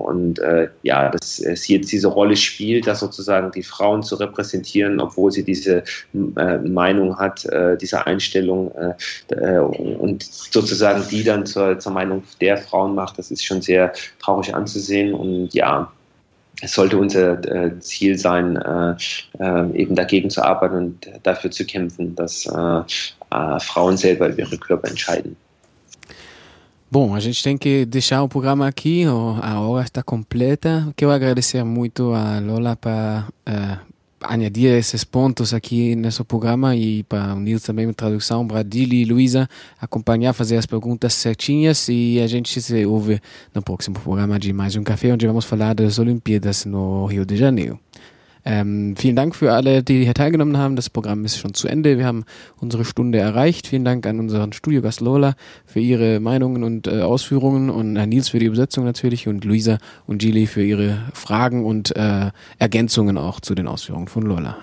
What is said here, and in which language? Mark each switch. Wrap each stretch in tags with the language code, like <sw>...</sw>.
<de>Und dass sie jetzt diese Rolle spielt, dass sozusagen die Frauen zu repräsentieren, obwohl sie diese Meinung hat, diese Einstellung und sozusagen die dann zur Meinung der Frauen macht, das ist schon sehr traurig anzusehen. Und ja, es sollte unser Ziel sein, eben dagegen zu arbeiten und dafür zu kämpfen, dass Frauen selber über ihre Körper entscheiden.</de> <pt>Bom, a gente tem que deixar o programa aqui, a hora está completa. Quero agradecer muito a Lola para añadir esses pontos aqui nesse programa e para unir também a tradução, para Dili e Luísa acompanhar, fazer as perguntas certinhas e a gente se ouve no próximo programa de Mais Café, onde vamos falar das Olimpíadas no Rio de Janeiro.</pt> <de>Vielen Dank für alle, die hier teilgenommen haben. Das Programm ist schon zu Ende. Wir haben unsere Stunde erreicht. Vielen Dank an unseren Studiogast Lola für ihre Meinungen und Ausführungen und an Nils für die Übersetzung natürlich und Luisa und Gili für ihre Fragen und Ergänzungen auch zu den Ausführungen von Lola.</de>